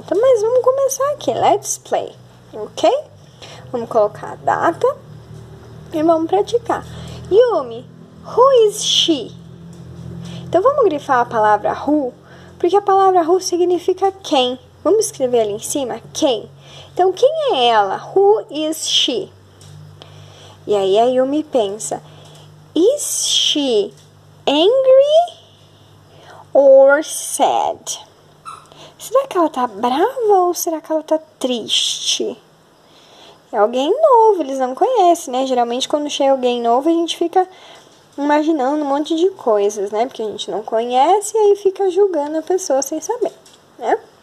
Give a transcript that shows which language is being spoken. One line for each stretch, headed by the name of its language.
Portuguese: Então, mas vamos começar aqui.
English: Let's play, ok?
Portuguese: Vamos colocar a data e vamos praticar. Yumi,
English: who is she?
Portuguese: Então, vamos grifar a palavra who, porque a palavra who significa quem. Vamos escrever ali em cima, quem. Então, quem é ela?
English: Who is she?
Portuguese: E aí, a Yumi pensa,
English: is she angry? Or sad.
Portuguese: Será que ela tá brava ou será que ela tá triste? É alguém novo, eles não conhecem, né? Geralmente, quando chega alguém novo, a gente fica imaginando um monte de coisas, né? Porque a gente não conhece e aí fica julgando a pessoa sem saber, né?